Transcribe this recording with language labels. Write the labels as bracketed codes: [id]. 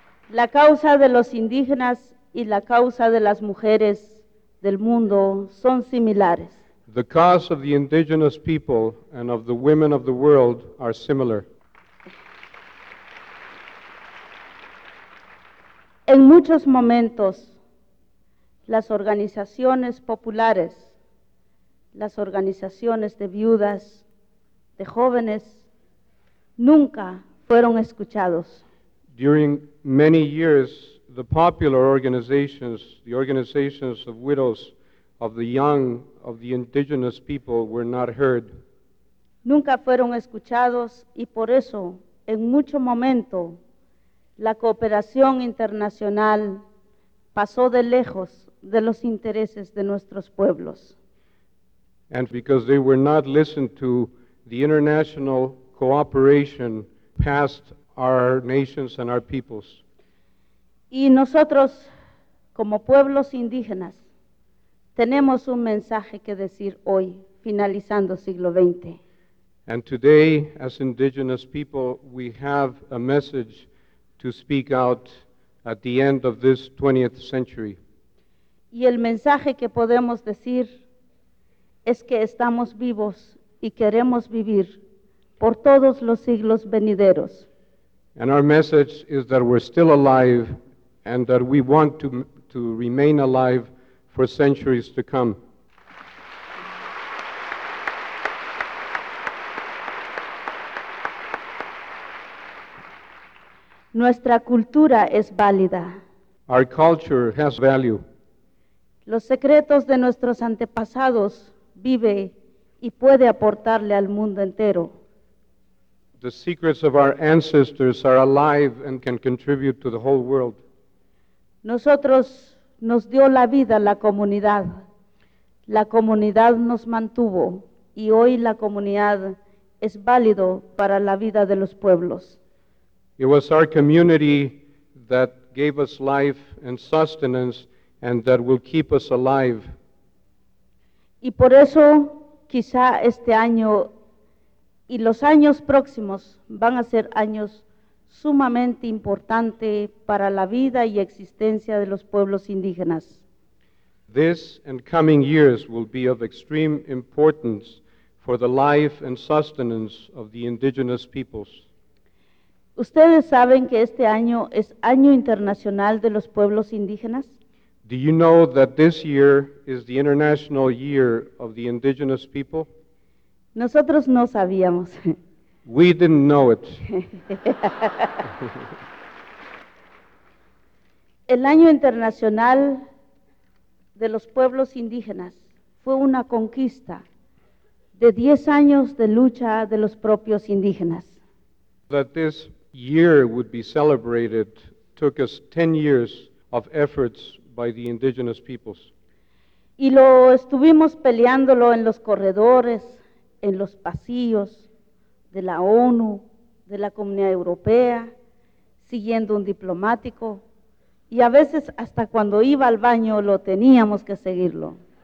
[es] La causa de los indígenas y la causa de las mujeres del mundo son similares. [en] The cause of the indigenous people and of the women of the world are similar. [es] En muchos momentos, las organizaciones populares, las organizaciones de viudas, de jóvenes, nunca fueron escuchados. [en] During many years, the popular organizations, the organizations of widows, of the young, of the indigenous people were not heard. [es] Nunca fueron escuchados y por eso, en mucho momento, la cooperación internacional pasó de lejos de los intereses de nuestros pueblos. [en] And because they were not listened to, the international cooperation passed our nations and our peoples. [es] Y nosotros, como pueblos indígenas, tenemos un mensaje que decir hoy, finalizando siglo XX. [en] And today, as indigenous people, we have a message to speak out at the end of this 20th century. [es] Y el mensaje que podemos decir es que estamos vivos y queremos vivir por todos los siglos venideros. [en] And our message is that we're still alive and that we want to remain alive for centuries to come. [es] Nuestra cultura es válida. [en] Our culture has value. [es] Los secretos de nuestros antepasados vive y puede aportarle al mundo entero. [en] The secrets of our ancestors are alive and can contribute to the whole world. [es] Nosotros nos dio la vida la comunidad. La comunidad nos mantuvo y hoy la comunidad es válido para la vida de los pueblos. [en] It was our community that gave us life and sustenance and that will keep us alive. [es] Y por eso quizá este año y los años próximos van a ser años sumamente importante para la vida y existencia de los pueblos indígenas. [en] This and coming years will be of extreme importance for the life and sustenance of the indigenous peoples. [es] ¿Ustedes saben que este año es Año Internacional de los Pueblos Indígenas? [en] Do you know that this year is the International Year of the Indigenous People? [es] Nosotros no sabíamos. [en] We didn't know it. [es] El Año Internacional de los Pueblos Indígenas fue una conquista de 10 años de lucha de los propios indígenas. [en] That this year would be celebrated took us 10 years of efforts by the indigenous peoples. [es] Y lo estuvimos peleándolo en los corredores, en los pasillos de la ONU, de la Comunidad Europea, siguiendo un diplomático, y a veces hasta cuando iba al baño lo teníamos que seguirlo.